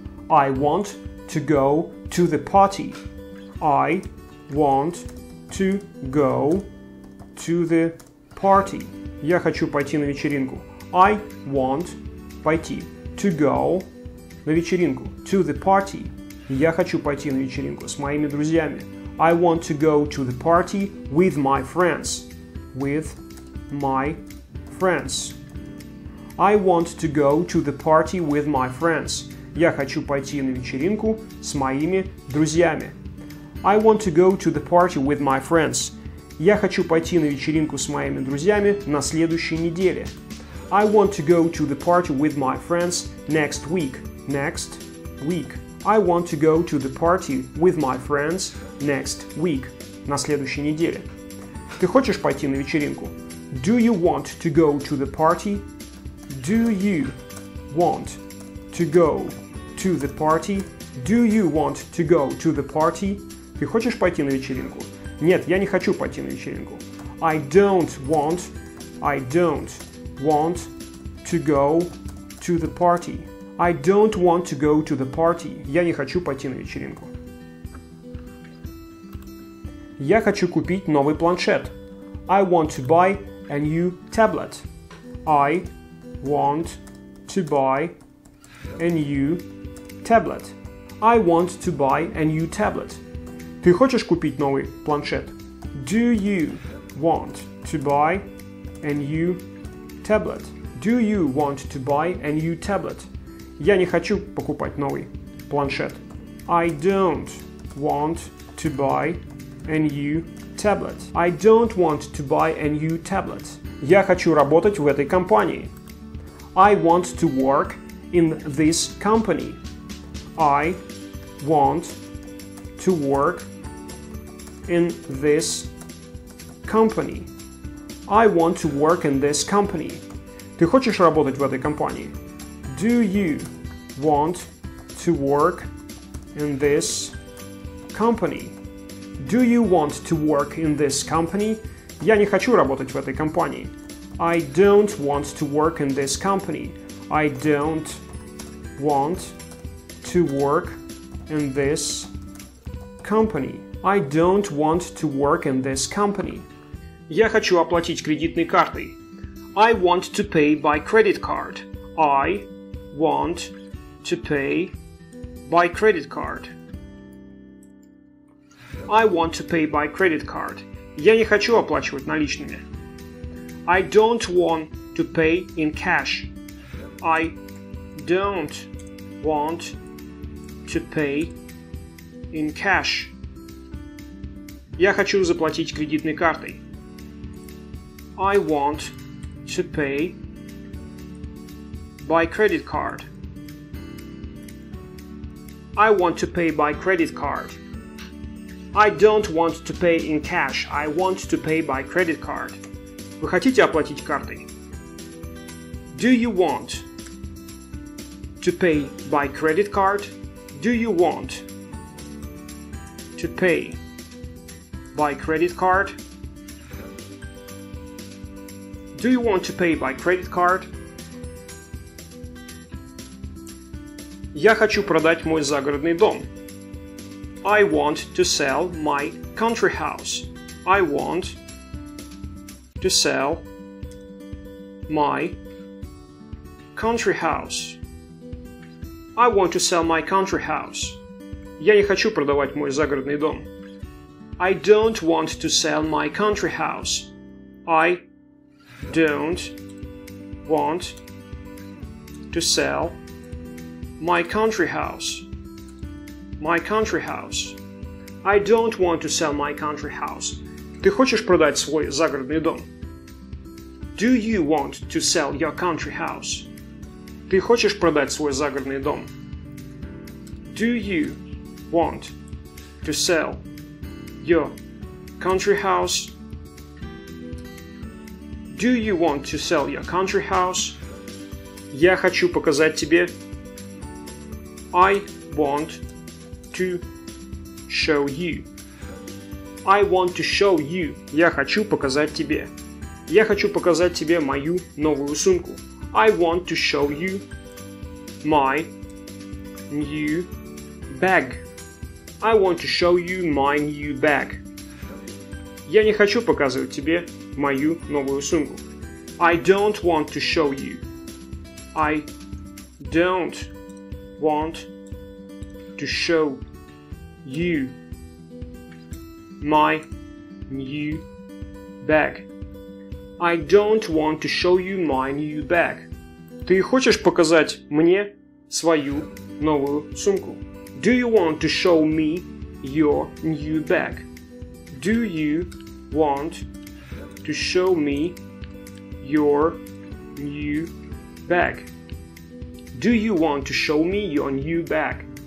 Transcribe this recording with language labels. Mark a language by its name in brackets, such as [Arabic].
[English] I want to go to the party. I want to go to the party. [Russian] Я хочу пойти на вечеринку. [English] I want [Russian] пойти. [English] To go [Russian] на вечеринку. [English] To the party. [Russian] Я хочу пойти на вечеринку с моими друзьями. [English] I want to go to the party with my friends. With my friends. I want to go to the party with my friends. [Russian] Я хочу пойти на вечеринку с моими друзьями. [English] I want to go to the party with my friends. [Russian] Я хочу пойти на вечеринку с моими друзьями на следующей неделе. [English] I want to go to the party with my friends next week. Next week. I want to go to the party with my friends next week. [Russian] На следующей неделе. Ты хочешь пойти на вечеринку? [English] Do you want to go to the party? Do you want to go to the party? Do you want to go to the party? [Russian] Ты хочешь пойти на вечеринку? Нет, я не хочу пойти на вечеринку. [English] I don't want to go to the party. I don't want to go to the party. [Russian] Я не хочу пойти на вечеринку. Я хочу купить новый планшет. [English] I want to buy a new tablet. I want to buy a new tablet. I want to buy a new tablet. [Russian] Ты хочешь купить новый планшет? [English] Do you want to buy a new tablet? Do you want to buy a new tablet? [Russian] Я не хочу покупать новый планшет. [English] I don't want to buy a new tablet. I don't want to buy a new tablet. [Russian] Я хочу работать в этой компании. [English] I want to work in this company. I want to work in this company. I want to work in this company. [Russian] Ты хочешь работать в этой компании? [English] Do you want to work in this company? Do you want to work in this company? [Russian] Я не хочу работать в этой компании. [English] I don't want to work in this company. I don't want to work in this company. I don't want to work in this company. [Russian] Я хочу оплатить кредитной картой. [English] I want to pay by credit card. I want to pay by credit card. I want to pay by credit card. [Russian] Я не хочу оплачивать наличными. [English] I don't want to pay in cash. I don't want to pay in cash. [Russian] Я хочу заплатить кредитной картой. [English] I want to pay by credit card. I want to pay by credit card. I don't want to pay in cash. I want to pay by credit card. [Russian] Вы хотите оплатить картой? [English] Do you want to pay by credit card? Do you want to pay by credit card? Do you want to pay by credit card? [Russian] Я хочу продать мой загородный дом. [English] I want to sell my country house. I want to sell my country house. I want to sell my country house. [Russian] Я не хочу продавать мой загородный дом. [English] I don't want to sell my country house. I don't want to sell my country house. My country house. I don't want to sell my country house. [Russian] Ты хочешь продать свой загородный дом? [English] Do you want to sell your country house? [Russian] Ты хочешь продать свой загородный дом? [English] Do you want to sell your country house? Do you want to sell your country house? [Russian] Я хочу показать тебе. [English] I want to show you. I want to show you. [Russian] Я хочу показать тебе. Я хочу показать тебе мою новую сумку. [English] I want to show you my new bag. I want to show you my new bag. [Russian] Я не хочу показывать тебе мою новую сумку. [English] I don't want to show you. I don't want to show you my new bag. I don't want to show you my new bag. [Russian] Ты хочешь показать мне свою новую сумку? [English] Do you want to show me your new bag? Do you want to show me your new bag? Do you want to show me your new bag?